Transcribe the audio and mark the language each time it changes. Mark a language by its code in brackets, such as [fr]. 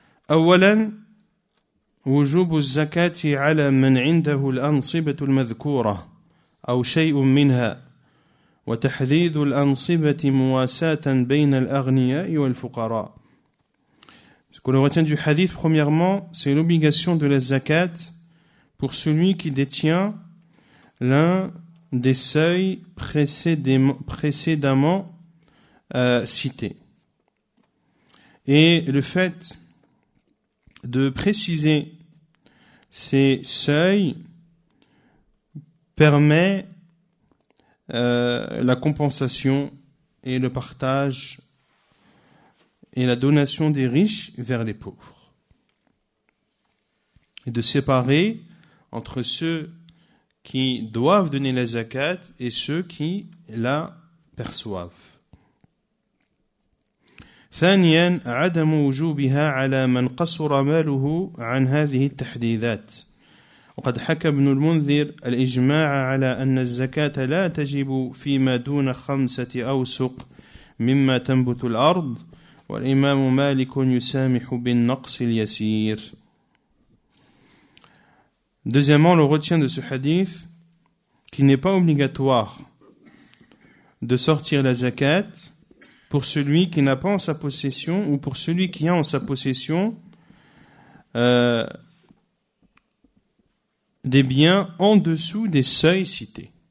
[ar] اولا وجوب الزكاه على من عنده الانصبه المذكوره او شيء منها وتحديد الانصبه مواساه بين الاغنياء والفقراء. [fr] Ce qu'on retient du hadith, premièrement, c'est l'obligation de la zakat pour celui qui détient l'un des seuils précédemment cités. Et le fait de préciser ces seuils permet la compensation et le partage et la donation des riches vers les pauvres. Et de séparer entre ceux qui doivent donner la zakat et ceux qui la perçoivent. [ar] ثانيا عدم وجوبها على من قصر ماله عن هذه التحديدات وقد حكى ابن المنذر الإجماع على أن الزكاة لا تجب فيما دون خمسة أوسق مما تنبت الأرض والإمام مالك يسامح بالنقص اليسير. [fr] Deuxièmement, le retien de ce hadith qui n'est pas obligatoire de sortir la zakat pour celui qui n'a pas en sa possession ou pour celui qui a en sa possession des biens en dessous des seuils cités.